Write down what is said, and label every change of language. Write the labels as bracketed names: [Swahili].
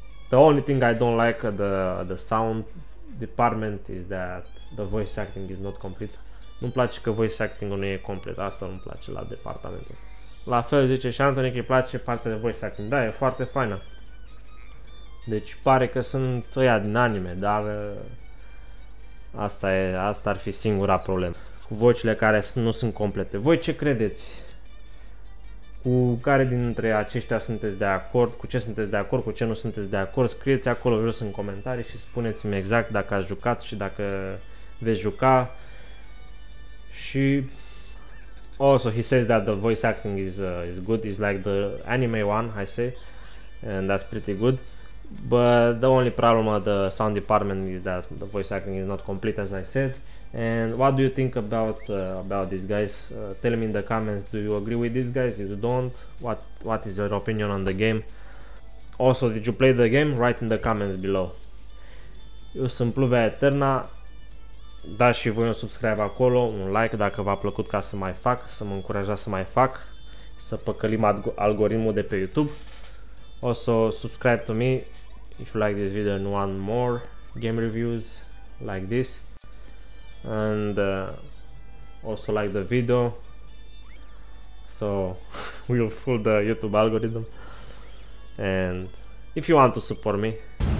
[English] The only thing I don't like the sound department is that the voice acting is not complete. [Romanian] Nu-mi place că voice acting-ul nu e complet, asta nu-mi place la departamentul. La fel zice și Anthony că îi place partea de voice acting. Da, e foarte faină. Deci pare că sunt ăia din anime, dar asta ar fi singura problemă. Cu vocile care nu sunt complete. Voi ce credeți? Cu care dintre aceștia sunteți de acord? Cu ce sunteți de acord? Cu ce nu sunteți de acord? Scrieți acolo jos în comentarii și spuneți-mi exact dacă ați jucat și dacă veți juca. [English] Și also he says that the voice acting is good, is like the anime one, I say, and that's pretty good, but the only problem of the sound department is that the voice acting is not complete, as I said. And what do you think about these guys? Tell me in the comments, do you agree with these guys, if you don't, what is your opinion on the game? Also, did you play the game? Write in the comments below. [Romanian] Eu sunt [English] Pluvea Eterna. [Romanian] Dați și voi un subscribe acolo, un like dacă v-a plăcut, ca să mai fac, să mă încurajați să mai fac, să păcălim algoritmul de pe YouTube. [English] Also, subscribe to me if you like this video and want more game reviews like this. And also like the video, so we'll fool the YouTube algorithm. And if you want to support me,